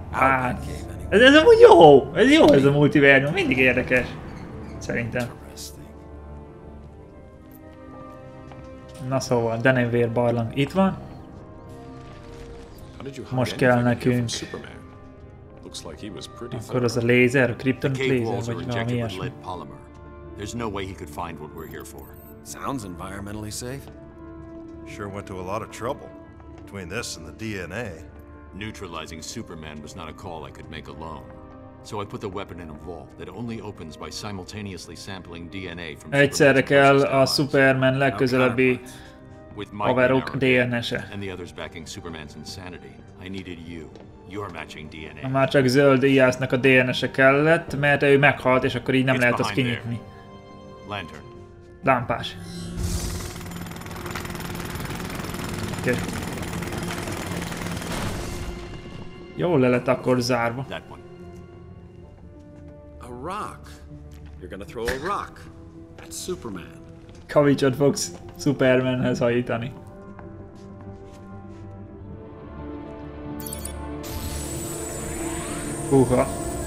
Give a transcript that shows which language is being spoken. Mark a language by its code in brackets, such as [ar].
[hu] Hát, ez amúgy jó! Ez jó ez a multiverzum, mindig érdekes. Szerintem. Na szóval, denevér barlang itt van. Most kell nekünk. Akkor az a lézer, a kryptonit lézer, vagy valami ilyesmi. [en] There's no way he could find what we're here for. Sounds environmentally safe. Sure went to a lot of trouble between this and the DNA. Neutralizing Superman was not a call I could make alone. So I put the weapon in a vault that only opens by simultaneously sampling DNA from Superman. [hu] Egyszerre kell a Superman legközelebbi haverok DNS-e. [en] And the others backing Superman's insanity. I needed you. You're matching DNA. [hu] Már csak zöld íjásznak a DNS-e kellett, mert ő meghalt, és akkor így nem lehet azt kinyitni. [en] Lantern. Lámpás. Okay. [hu] Jól le lett akkor zárva. [en] A rock. You're gonna throw a rock at Superman. [hu] Kavicsot fogsz Supermanhez hajítani. Húha.